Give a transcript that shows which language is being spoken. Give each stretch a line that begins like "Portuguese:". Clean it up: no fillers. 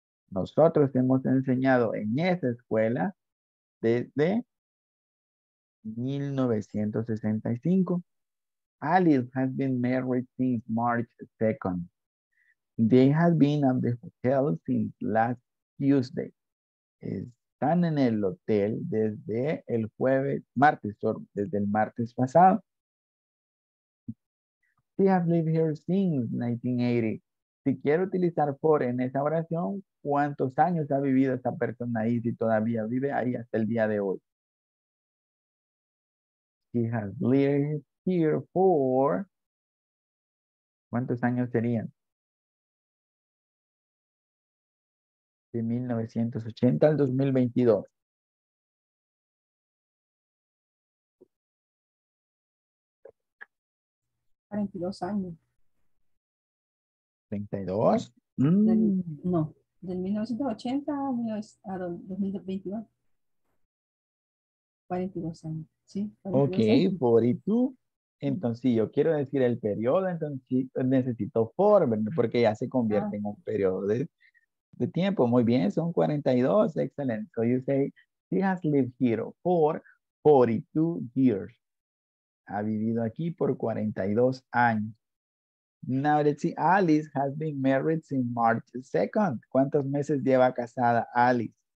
Spanish: Nosotros hemos enseñado en esa escuela desde 1965.
English: Alice has been married since March 2nd. They have been at the hotel since last Tuesday.
Spanish: Están en el hotel desde el martes pasado.
English: She has lived here since 1980.
Spanish: Si quiero utilizar for en esa oración, ¿cuántos años ha vivido esa persona ahí si todavía vive ahí hasta el día de hoy?
English: She has lived here for,
Spanish: ¿cuántos años serían? De 1980 al 2022. 42 años. 32? Del 1980 a 2022. 42 años, ¿sí? 42 años. Ok, 42. Entonces, si yo quiero decir el periodo, entonces necesito for, porque ya se convierte en un periodo de tiempo. Muy bien, son 42.
English: Excellent. So you say, she has lived here for 42 years.
Spanish: Ha vivido aquí por 42 años.
English: Now let's see, Alice has been married since March 2nd.
Spanish: ¿Cuántos meses lleva casada Alice?